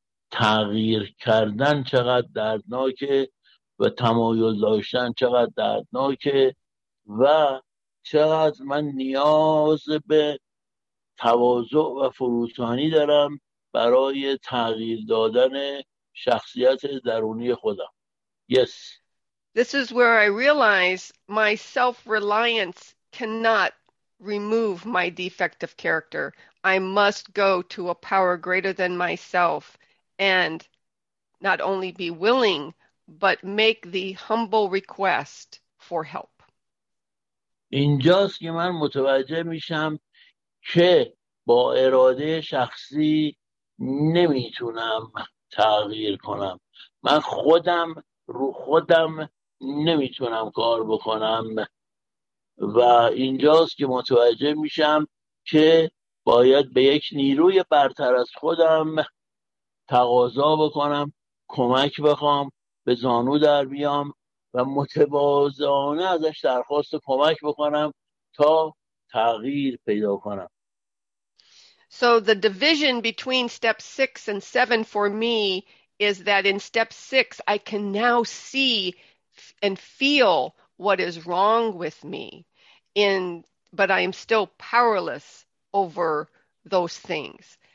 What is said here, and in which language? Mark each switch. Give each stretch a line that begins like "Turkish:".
Persian: تغییر کردن چقدر دردناک و تمایل داشتن چقدر دردناک و چقدر من نیاز به تواضع و فروتنی دارم برای تغییر دادن شخصیت درونی خودم.
English: Yes. This is where I realize my self-reliance cannot remove my defect of character. I must go to a power greater than myself and not only be willing, but make the humble request for help.
Persian: اینجاست که من متوجه میشم که با اراده شخصی نمیتونم تغییر کنم. من خودم رو خودم نمیتونم کار بکنم و اینجاست که متوجه میشم که باید به یک نیروی برتر از خودم تقاضا بکنم، کمک بخوام، به زانو در بیام و متواضعانه ازش درخواست کمک بکنم تا تغییر پیدا کنم.
English: So the division between step 6 and 7 for me is that in step 6 I can now see and feel what is wrong with me, but I am still powerless over those things.